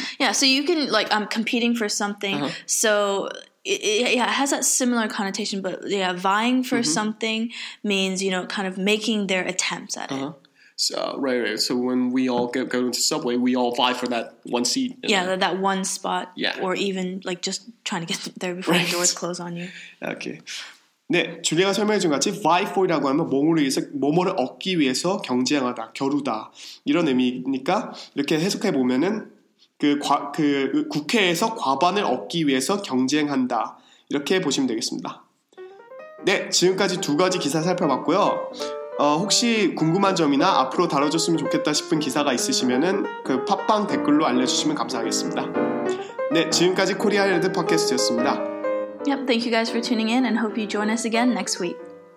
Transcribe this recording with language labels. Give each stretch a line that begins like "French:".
English: Yeah, so you can like, I'm competing for something. Uh-huh. So it has that similar connotation, but yeah, vying for mm-hmm. something means, you know, kind of making their attempts at uh-huh. it. So, right. So when we all go into Subway, we all vie for that one seat. Yeah, that one spot. Yeah. Or even like just trying to get there before right. the doors close on you. Okay.
Korean: 네, 줄리아가 설명해 준 것 같이 vie for이라고 하면 뭐뭐를 얻기 위해서 경쟁하다, 겨루다 이런 의미니까 이렇게 해석해 보면은 그 국회에서 과반을 얻기 위해서 경쟁한다 이렇게 보시면 되겠습니다. 네, 지금까지 두 가지 기사 살펴봤고요. 혹시 궁금한 점이나 앞으로 다뤄줬으면 좋겠다 싶은 기사가 있으시면은 그 팟빵 댓글로 알려주시면 감사하겠습니다. 네, 지금까지 코리아 헤드 팟캐스트였습니다.
English: Yep, thank you guys for tuning in and hope you join us again next week.